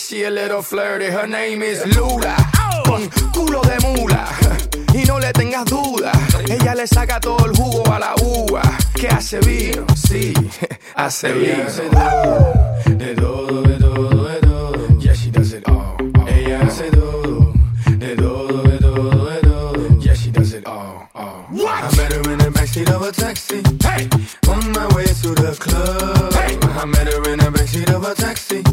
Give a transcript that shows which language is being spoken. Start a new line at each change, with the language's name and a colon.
English: A little flirty, her name is Lula. Oh.
Spanish: Con culo de mula. Y no le tengas duda. Ella le saca todo el jugo a la uva. Que hace vino, sí, hace vino. Hace todo, de todo, de todo, de todo.
English: Yeah, she does it all.
Spanish: Ella hace todo, de todo, de todo, de todo.
English: Yeah, she does it all. What? I met her in the backseat of a taxi. Hey, on my way to the club. Hey, I met her in the backseat of a taxi.